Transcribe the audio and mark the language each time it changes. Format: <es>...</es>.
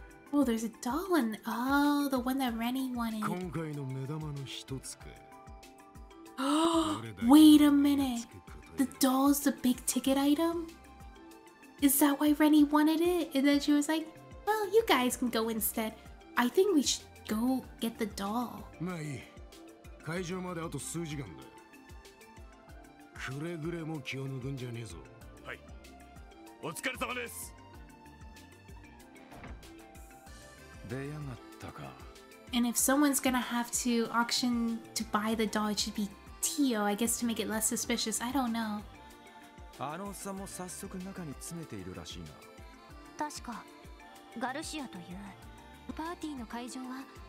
<en>Oh, there's a doll and the one that Renny wanted.</en> <ja>今回の目玉の一つか。Oh,</ja> <en>wait a minute. The doll's the big ticket item? Is that why Renny wanted it? And then she was like, well, you guys can go instead. I think we should go get the doll.</en> <ja>まあいい。会場まであと数時間だ。くれぐれも気を抜くんじゃねえぞ。はい。お疲れ様です。出やがったか。</ja> <en>And if someone's gonna have to auction to buy the doll, it should be Tio, I guess, to make it less suspicious. I don't know.</en> <ja>あのおっさんも早速中に詰めているらしいな。確か、ガルシアというパーティーの会場は。</ja>